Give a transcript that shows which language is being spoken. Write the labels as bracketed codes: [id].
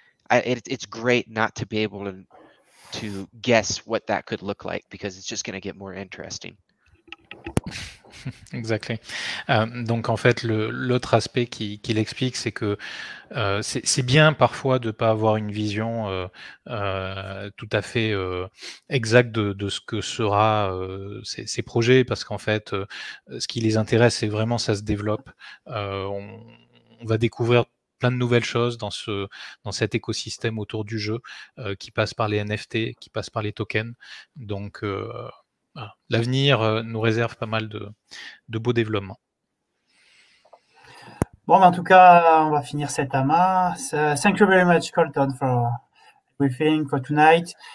[en] It's great not to be able to guess what that could look like, because it's just going to get more interesting. Exactly. [fr] Donc en fait, l'autre aspect qui l'explique, c'est que c'est bien parfois de pas avoir une vision tout à fait exacte de ce que sera ces projets, parce qu'en fait, ce qui les intéresse, c'est vraiment ça se développe. On va découvrir plein de nouvelles choses dans cet écosystème autour du jeu qui passe par les NFT, qui passe par les tokens. Donc l'avenir nous réserve pas mal de beaux développements. Bon, mais en tout cas, on va finir cet amas. [en] So, thank you very much, Colton, for everything for tonight.